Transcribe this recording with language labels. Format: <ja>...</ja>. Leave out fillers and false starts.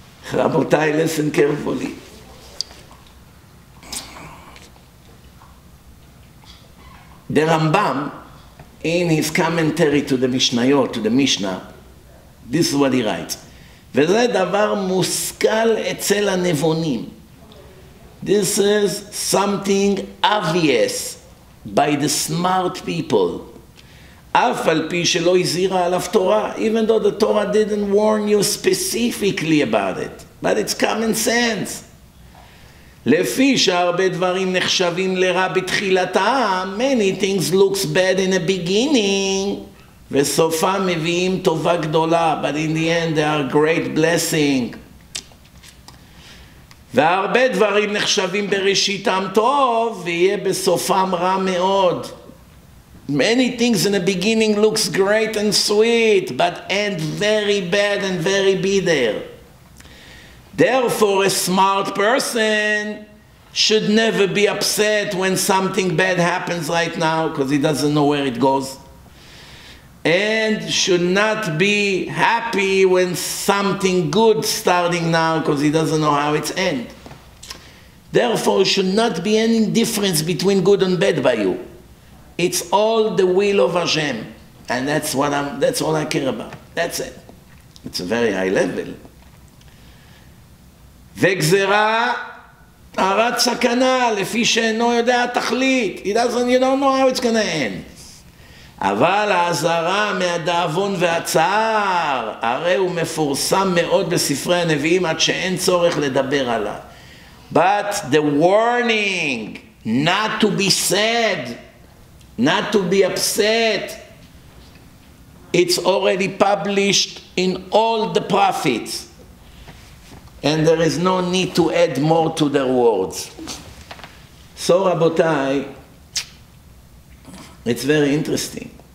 <en>Rabotai, listen carefully. The Rambam, in his commentary to the Mishnayot, to the Mishnah, this is what he writes.</en> <he>וזה דבר מושכל אצל הנבונים.</he> <en>This is something obvious by the smart people.</en> <he>אף על פי שלא הזהירה עליו תורה,</he> <en>even though the Torah didn't warn you specifically about it. But it's common sense.</en> <he>לפי שהרבה דברים נחשבים לרע בתחילתם,</he> <en>many things looks bad in the beginning,</en> <he>וסופם מביאים טובה גדולה,</he> <en>but in the end they are great blessing.</en> <he>והרבה דברים נחשבים בראשיתם טוב, ויהיה בסופם רע מאוד.</he> <en>Many things in the beginning looks great and sweet, but end very bad and very bitter. Therefore, a smart person should never be upset when something bad happens right now, because he doesn't know where it goes. And should not be happy when something good starting now, because he doesn't know how it's end. Therefore, should not be any difference between good and bad by you. It's all the will of Hashem. And that's all I care about. That's it. It's a very high level.</en> <he>וגזרה הרת סכנה לפי שאינו יודע תכלית.</he> <en>You don't know how it's going to end.</en> <he>אבל העזרה מהדאבון והצער, הרי הוא מפורסם מאוד בספרי הנביאים עד שאין צורך לדבר עליו.</he> <en>But the warning not to be sad, not to be upset, it's already published in all the prophets. And there is no need to add more to their words. So, Rabotai, it's very interesting.</en>